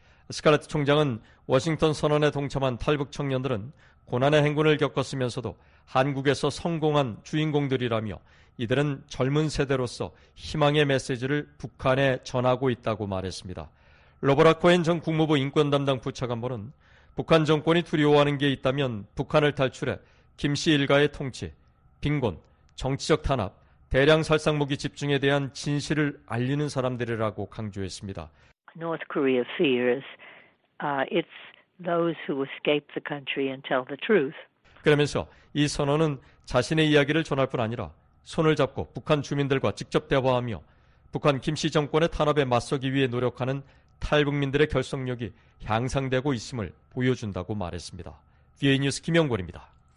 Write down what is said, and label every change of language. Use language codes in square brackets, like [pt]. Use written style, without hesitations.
[ko] 스칼레트 총장은 워싱턴 선언에 동참한 탈북 청년들은 고난의 행군을 겪었으면서도 한국에서 성공한 주인공들이라며 이들은 젊은 세대로서 희망의 메시지를 북한에 전하고 있다고 말했습니다. 로버트 코헨 전 국무부 인권담당 부차관보는 북한 정권이 두려워하는 게 있다면 북한을 탈출해 김 씨 일가의 통치, 빈곤, 정치적 탄압, 대량 살상무기 집중에 대한 진실을 알리는 사람들이라고 강조했습니다. [en] North Korea fears it's those who escape the country and tell the truth. [ko] 그러면서 이 선언은 자신의 이야기를 전할 뿐 아니라 손을 잡고 북한 주민들과 직접 대화하며 북한 김 씨 정권의 탄압에 맞서기 위해 노력하는 탈북민들의 결속력이 향상되고 있음을 보여준다고 말했습니다. VOA 뉴스 김영권입니다.